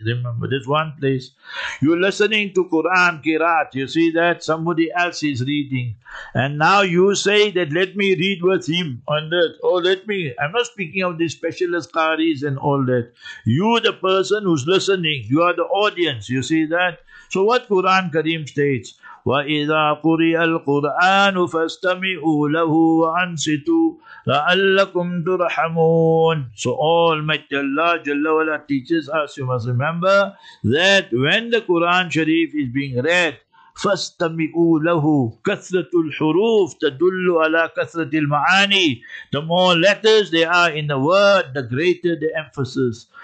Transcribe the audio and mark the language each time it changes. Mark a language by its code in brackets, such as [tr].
[en] Remember, there's one place. You're listening to Quran, Qiraat. You see that? Somebody else is reading. And now you say that, let me read with him on that. Oh, let me. I'm not speaking of the specialist qaris and all that. You're the person who's listening. You are the audience. You see that? So what Quran Kareem states, [ar] وَإِذَا قُرِئَ الْقُرْآنُ فَاسْتَمِعُوا لَهُ وَأَنْصِتُوا لَعَلَّكُمْ تُرْحَمُونَ. [en] So Almighty Allah Jalla Wala teaches us, you must remember, that when the Quran Sharif is being read, [ar] فَاسْتَمِعُوا لَهُ كَثْرَةُ الْحُرُوفِ تَدُلُّ عَلَىٰ كَثْرَةِ الْمَعَانِي. [en] The more letters there are in the word, the greater the emphasis.